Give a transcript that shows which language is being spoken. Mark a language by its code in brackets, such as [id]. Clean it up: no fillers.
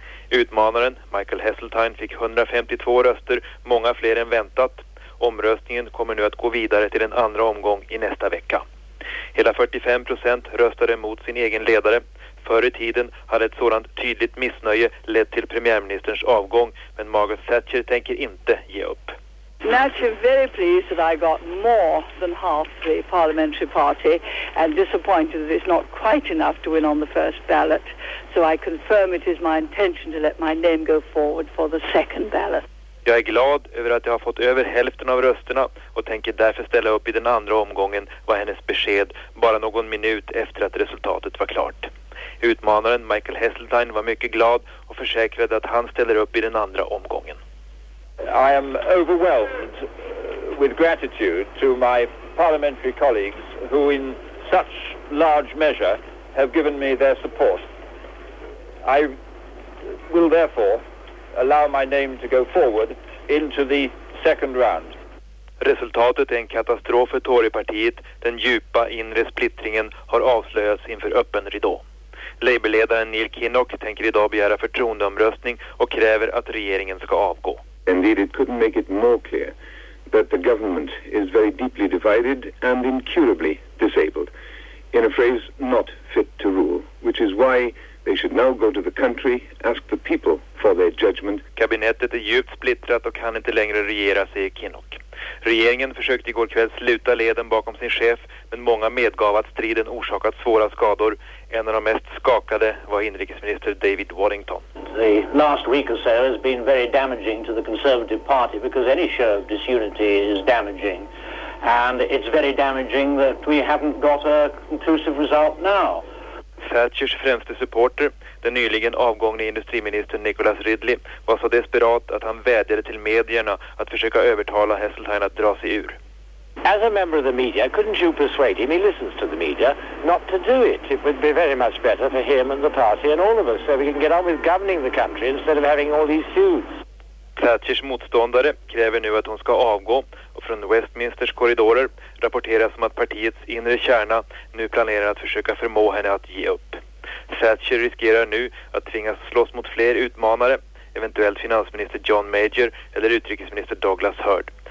[sv] Utmanaren Michael Heseltine fick 152 röster, många fler än väntat. Omröstningen kommer nu att gå vidare till en andra omgång i nästa vecka. Hela 45% röstade mot sin egen ledare. Förr i tiden hade ett sådant tydligt missnöje lett till premiärministerns avgång, men Margaret Thatcher tänker inte ge upp. [en] Naturally, very pleased that I got more than half the parliamentary party, and disappointed that it's not quite enough to win on the first ballot. So I confirm it is my intention to let my name go forward for the second ballot. [sv] Jag är glad över att jag har fått över hälften av rösterna och tänker därför ställa upp i den andra omgången, var hennes besked bara någon minut efter att resultatet var klart. Utmanaren Michael Heseltine var mycket glad och försäkrade att han ställer upp i den andra omgången. [en] I am overwhelmed with gratitude to my parliamentary colleagues who in such large measure have given me their support. I will therefore allow my name to go forward into the second round. [sv] Resultatet är en katastrof för Torypartiet. Den djupa inre splittringen har avslöjats inför öppen ridå. Labourledaren Neil Kinnock tänker idag begära förtroendeomröstning och kräver att regeringen ska avgå. [en] Indeed, it couldn't make it more clear that the government is very deeply divided and incurably disabled, in a phrase, not fit to rule, which is why they should now go to the country, ask the people for their judgment. [sv] Kabinettet är djupt splittrat och kan inte längre regera, säger Kinnock. Regeringen försökte igår kväll sluta leden bakom sin chef, men många medgav att striden orsakat svåra skador. En av de mest skakade var inrikesminister David Wallington. [en] The last week or so has been very damaging to the Conservative Party, because any show of disunity is damaging. And it's very damaging that we haven't got a conclusive result now. [sv] Thatchers främste supporter, den nyligen avgångne industriministern Nicholas Ridley, var så desperat att han vädjade till medierna att försöka övertala Heseltine att dra sig ur. [en] As a member of the media, couldn't you persuade him, he listens to the media, not to do it? It would be very much better for him and the party and all of us, so we can get on with governing the country instead of having all these suits. [sv] Thatchers motståndare kräver nu att hon ska avgå, och från Westminsters korridorer rapporteras om att partiets inre kärna nu planerar att försöka förmå henne att ge upp. Thatcher riskerar nu att tvingas slåss mot fler utmanare, eventuellt finansminister John Major eller utrikesminister Douglas Hurd.